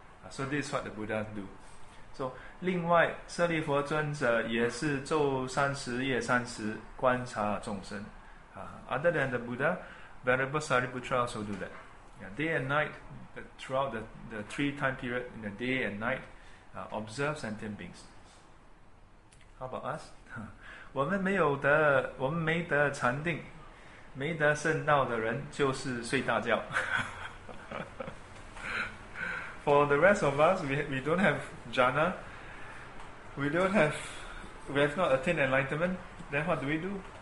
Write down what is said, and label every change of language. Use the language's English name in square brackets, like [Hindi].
[English] So this is what the Buddha do. [Chinese] So, 另外, 舍利弗尊者也是昼三时夜三时观察众生. [English] Other than the Buddha, Venerable Sariputra also do that. Day and night, throughout the three time period, in the day and night, observe sentient beings. How about us? [Chinese] 我们没得禅定, 没得圣道的人就是睡大觉. [English] For the rest of us, we don't have jhana, we have not attained enlightenment, then what do we do?